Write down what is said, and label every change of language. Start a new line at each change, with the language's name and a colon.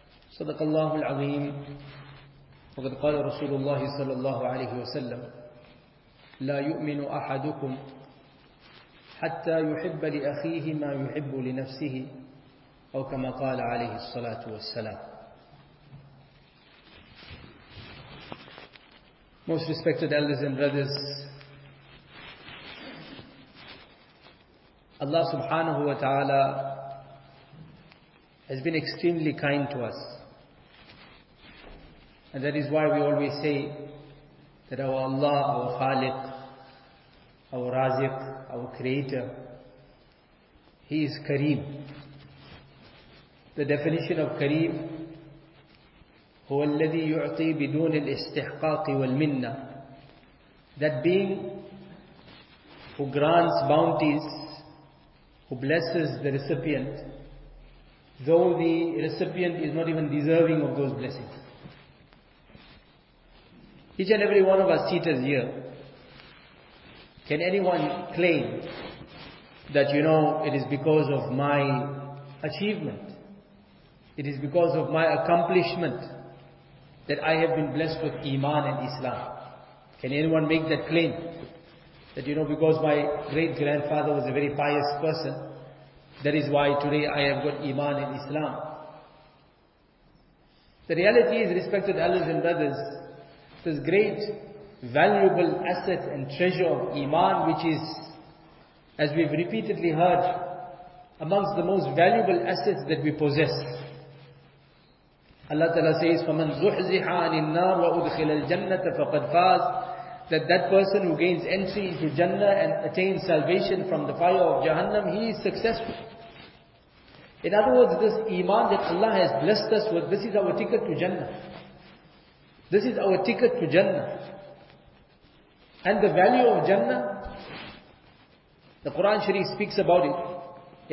Arabic: صدق الله العظيم. وقد قال رسول الله صلى الله عليه وسلم: لا يؤمن أحدكم حتى يحب لأخيه ما يحب لنفسه، أو كما قال عليه الصلاة والسلام.
English: Most respected elders and brothers, Allah subhanahu wa ta'ala has been extremely kind to us. And that is why we always say that our Allah, our Khaliq, our Raziq, our Creator, He is Kareem. The definition of Kareem:
Arabic: هو الذي يعطي بدون الاستحقاق والمنة.
English: That being who grants bounties, who blesses the recipient, though the recipient is not even deserving of those blessings. Each and every one of us seated here, can anyone claim that, you know, it is because of my achievement, it is because of my accomplishment that I have been blessed with Iman and Islam? Can anyone make that claim? That, you know, because my great-grandfather was a very pious person, that is why today I have got Iman and Islam? The reality is, respected elders and brothers, this great, valuable asset and treasure of Iman, which is, as we've repeatedly heard, amongst the most valuable assets that we possess.
Arabic: Allah Ta'ala says, فَمَنْ زُحْزِحَ عَنِ النَّارِ وَأُدْخِلَ الْجَنَّةَ فَقَدْ فَازْ.
English: That person who gains entry into Jannah and attains salvation from the fire of Jahannam, he is successful. In other words, this Iman that Allah has blessed us with, this is our ticket to Jannah. This is our ticket to Jannah. And the value of Jannah, the Quran Sharif speaks about it.